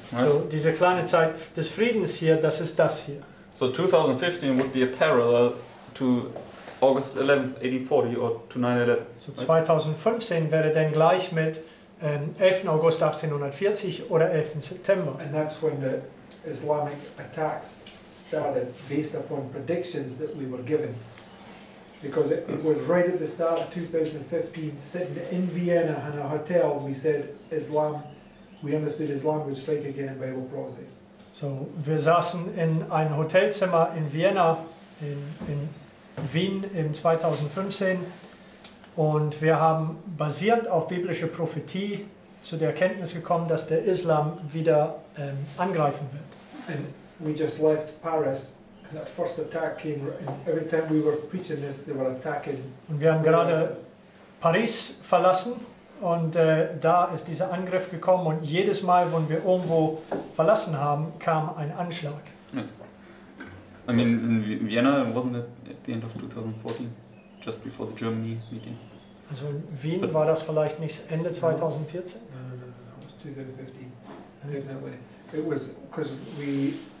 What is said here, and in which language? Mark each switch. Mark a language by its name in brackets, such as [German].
[English] Right? [German] So diese kleine Zeit des Friedens hier, das ist das hier. [English] So 2015 would be a parallel to August 11th, 1840 or to 9/11. Right? [German] So 2015 wäre dann gleich mit 11. August 1840 oder 11. September. [English] And that's when the Islamic attacks started, based upon predictions that we were given. Because it was right at the start of 2015, sitting in Vienna in a hotel, we said Islam, we understood Islam would strike again by Bible prophecy. [German] So wir saßen in ein Hotelzimmer in Vienna, in Wien im 2015, und wir haben basierend auf biblischer Prophetie zu der Erkenntnis gekommen, dass der Islam wieder angreifen wird. [English] And we just left Paris, and that first attack came, and every time we were preaching this, they were attacking. [German] Und wir haben gerade Paris verlassen, und da ist dieser Angriff gekommen, und jedes Mal, wenn wir irgendwo verlassen haben, kam ein Anschlag. [English] Yes. I mean, in Vienna, wasn't it at the end of 2014, just before the Germany meeting? [German] Also in Wien, but war das vielleicht nicht Ende 2014? [English] No, it was 2015. Mm-hmm. That way. It was because we.